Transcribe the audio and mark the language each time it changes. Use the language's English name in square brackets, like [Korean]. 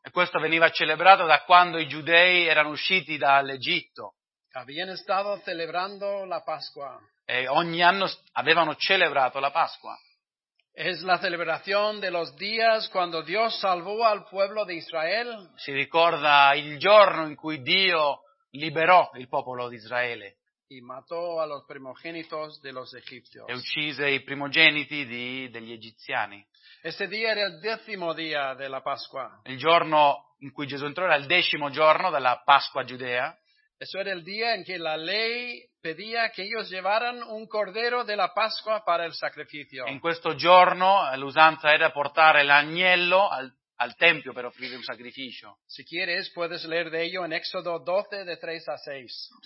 [Italian] E questo veniva celebrato da quando i giudei erano usciti dall'Egitto. [Spanish] Habían estado celebrando la Pascua. [Italian] E ogni anno avevano celebrato la Pasqua. [Spanish] Es la celebración de los días cuando Dios salvó al pueblo de Israel. [Italian] Si ricorda il giorno in cui Dio liberò il popolo di Israele. [Spanish] Y mató a los primogénitos de los egipcios. [Italian] E uccise i primogeniti degli egiziani. [Spanish] Ese día era el décimo día de la Pascua. [Italian] Il giorno in cui Gesù entrò era il decimo giorno della Pasqua giudea. [Spanish] Eso era el día en que la ley pedía que ellos llevaran un cordero de la Pascua para el sacrificio. [Italian] In questo giorno l'usanza era portare l'agnello al tempio per offrire un sacrificio. [Spanish] Si quieres puedes leer de ello en Éxodo 12 de 3 a 6.